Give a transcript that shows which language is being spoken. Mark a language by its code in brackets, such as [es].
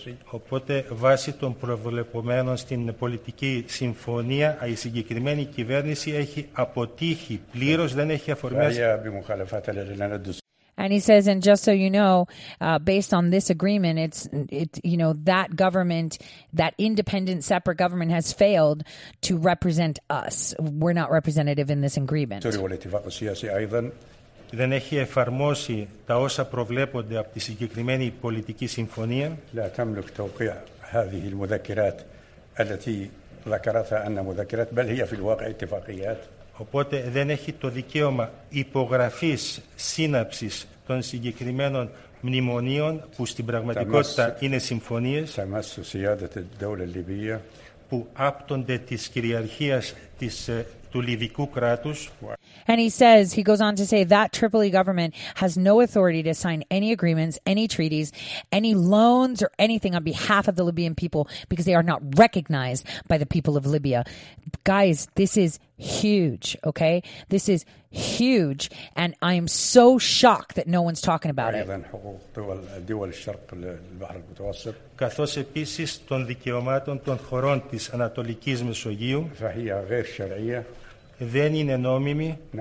[el] Οπότε βάσει των προβλεπομένων στην πολιτική συμφωνία η συγκεκριμένη κυβέρνηση έχει αποτύχει πλήρως, δεν έχει αφορμές. [en] And he says, and just so you know, based on this agreement, that government, that independent separate government has failed to represent us. We're not representative in this agreement. [el] Δεν έχει εφαρμόσει τα όσα προβλέπονται από τη συγκεκριμένη πολιτική συμφωνία. [ar] لا تملك توقيع هذه المذكرات التي ذكرتها أنها مذكرات بل هي في الواقع اتفاقيات. [el] Οπότε δεν έχει το δικαίωμα υπογραφής σύναψης των συγκεκριμένων μνημονίων που στην πραγματικότητα είναι συμφωνίες που άπτονται της κυριαρχίας του Λιβικού κράτους. [en] And he says, he goes on to say that Tripoli government has no authority to sign any agreements, any treaties, any loans or anything on behalf of the Libyan people because they are not recognized by the people of Libya. Guys, this is huge, okay? This is huge. And I am so shocked that no one's talking about it. [el] Καθώς επίσης των δικαιωμάτων των χωρών της Ανατολικής Μεσογείου δεν είναι νόμιμη.